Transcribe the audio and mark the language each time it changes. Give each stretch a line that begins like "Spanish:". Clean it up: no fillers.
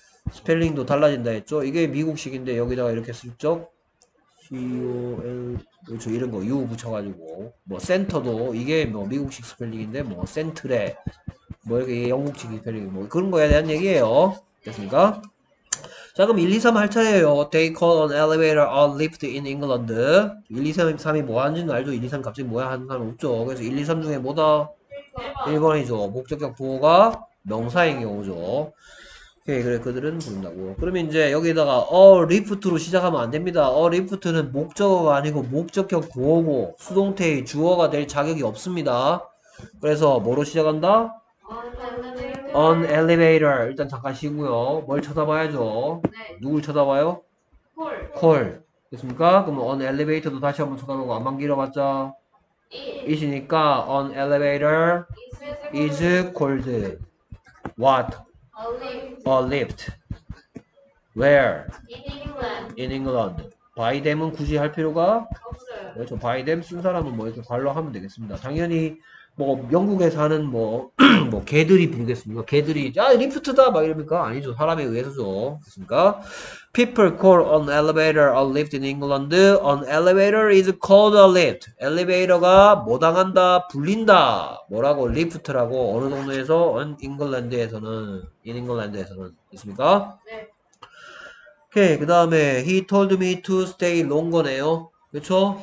Korean: 스펠링도 달라진다 했죠? 이게 미국식인데 여기다가 이렇게 슬쩍 C-O-L 그렇죠 이런 거 U 붙여가지고 뭐 센터도 이게 뭐 미국식 스펠링인데 뭐 센트레 뭐 이렇게 영국식 스펠링 뭐 그런 거에 대한 얘기예요. 됐습니까? 자 그럼 1, 2, 3할 차례예요.
English: They call an elevator a lift in England.
Korean: 1, 2, 3이 뭐 하는지는 알죠? 1, 2, 3 갑자기 뭐야 하는 사람 없죠. 그래서 1, 2, 3 중에 뭐다? 1번이죠. 목적격 보호가 명사인 경우죠. 오케이, 그래, 그들은 부른다고. 그러면 이제 여기에다가, 리프트로 시작하면 안 됩니다. 리프트는 목적어가 아니고 목적격 보호고 수동태의 주어가 될 자격이 없습니다. 그래서 뭐로 시작한다?
English: On elevator.
Korean: 일단 잠깐 쉬고요. 뭘 쳐다봐야죠? 누굴 쳐다봐요? 콜. 됐습니까?
English: 그럼 on elevator도
Korean: 다시 한번 쳐다보고 안 만기려봤자 이시니까
English: on elevator is called what? A lift. Where? In England.
Korean: By them은 굳이 할 필요가? 그렇죠. By them 쓴 사람은 뭐 이렇게 발로 하면 되겠습니다. 당연히 뭐 영국에 사는 뭐, 뭐 개들이 부르겠습니까? 개들이 아 리프트다 막 이럽니까? 아니죠. 사람에 의해서죠. 그렇습니까?
English: People call an elevator a lift in England. An elevator is called a lift.
Korean: 엘리베이터가 뭐 당한다? 불린다. 뭐라고? 리프트라고. 어느 정도에서?
English: In England
Korean: 에서는. 있습니까? 오케이. 그 다음에
English: He told me to stay longer네요.
Korean: 그쵸?